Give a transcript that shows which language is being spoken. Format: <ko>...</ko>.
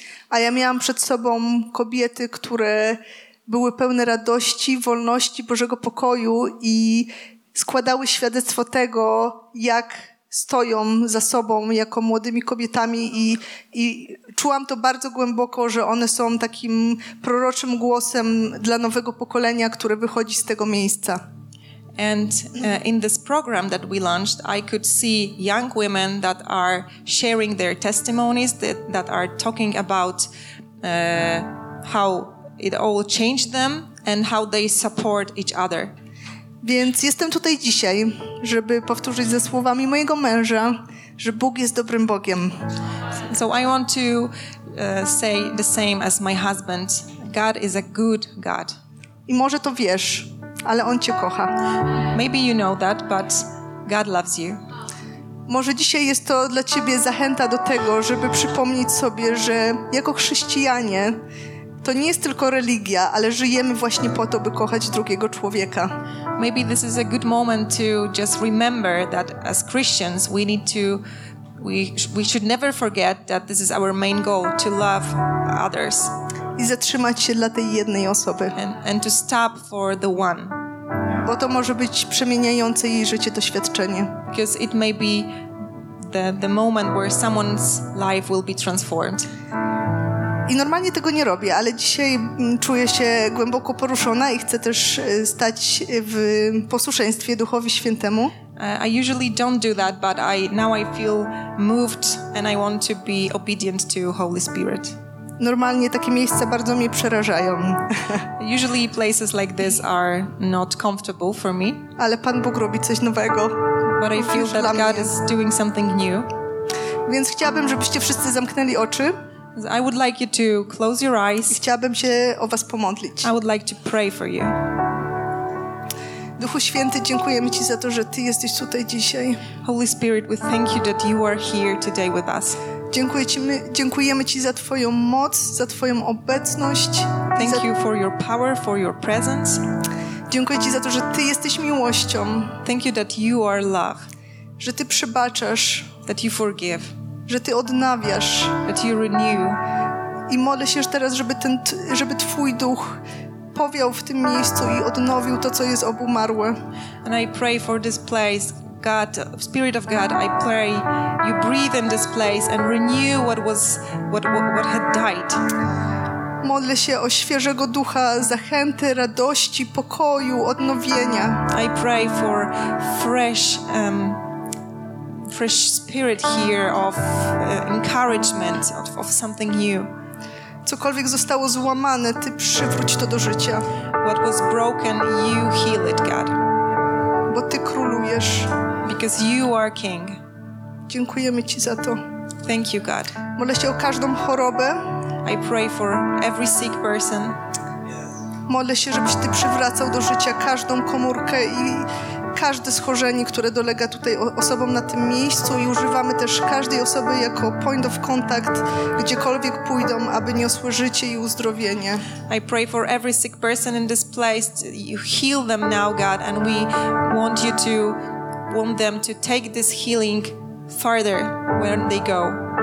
<pl>A ja miałam przed sobą kobiety, które były pełne radości, wolności, Bożego pokoju i składały świadectwo tego, jak stoją za sobą jako młodymi kobietami i czułam to bardzo głęboko, że one są takim proroczym głosem dla nowego pokolenia, które wychodzi z tego miejsca.</pl> <en>And in this program that we launched, I could see young women that are sharing their testimonies, that are talking about how it all changed them and how they support each other.</en> <pl>Więc jestem tutaj dzisiaj, żeby powtórzyć ze słowami mojego męża, że Bóg jest dobrym Bogiem.</pl> <en>So I want to say the same as my husband. God is a good God.</en> <pl>I może to wiesz, ale On cię kocha.</pl> <en>Maybe you know that, but God loves you.</en> <pl>Może dzisiaj jest to dla ciebie zachęta do tego, żeby przypomnieć sobie, że jako chrześcijanie to nie jest tylko religia, ale żyjemy właśnie po to, by kochać drugiego człowieka.</pl> <en>Maybe this is a good moment to just remember that as Christians we need to we should never forget that this is our main goal to love others.</en> <pl>I zatrzymać się dla tej jednej osoby.</pl> <en>And to stop for the one.</en> <pl>Bo to może być przemieniające jej życie doświadczenie.</pl> <en>Because it may be the moment where someone's life will be transformed.</en> <pl>I normalnie tego nie robię, ale dzisiaj czuję się głęboko poruszona i chcę też stać w posłuszeństwie Duchowi Świętemu.</pl> <en>I usually don't do that, but I now I feel moved and I want to be obedient to Holy Spirit.</en> <pl>Normalnie takie miejsca bardzo mnie przerażają.</pl> <en>Usually places like this are not comfortable for me.</en> <pl>Ale Pan Bóg robi coś nowego.</pl> <en>But I feel that God is doing something new.</en> <pl>Więc chciałabym, żebyście wszyscy zamknęli oczy.</pl> <en>I would like you to close your eyes.</en> <pl>I chciałabym się o was pomodlić.</pl> <en>I would like to pray for you.</en> <pl>Duchu Święty, dziękujemy ci za to, że ty jesteś tutaj dzisiaj.</pl> <en>Holy Spirit, we thank you that you are here today with us.</en> <pl>Dziękujemy ci za twoją moc, za twoją obecność.</pl> <en>Thank you for your power, for your presence.</en> <pl>Dziękuję ci za to, że ty jesteś miłością.</pl> <en>Thank you that you are love.</en> <pl>Że ty przebaczasz.</pl> <en>That you forgive.</en> <pl>Że ty odnawiasz,</pl> <en>that you renew.</en> <pl>I modlę się teraz, żeby twój duch powiał w tym miejscu i odnowił to, co jest obumarłe.</pl> <en>And I pray for this place, God, Spirit of God, I pray you breathe in this place and renew what had died.</en> <pl>Modlę się o świeżego ducha, zachęty, radości, pokoju, odnowienia.</pl> <en>I pray for fresh spirit here of encouragement of something new.</en> <pl>Cokolwiek zostało złamane, ty przywróć to do życia.</pl> <en>What was broken, you heal it, God.</en> <pl>Bo ty królujesz.</pl> <en>Because you are king.</en> <pl>Dziękujemy ci za to.</pl> <en>Thank you, God.</en> <pl>Modlę się o każdą chorobę.</pl> <en>I pray for every sick person.</en> <pl>Modlę się, żebyś Ty przywracał do życia każdą komórkę i każde schorzenie, które dolega tutaj osobom na tym miejscu, i używamy też każdej osoby jako</pl> <en>point of contact,</en> <pl>gdziekolwiek pójdą, aby niosły życie i uzdrowienie.</pl> <en>I pray for every sick person in this place. You heal them now, God, and we want you to want them to take this healing further when they go.</en>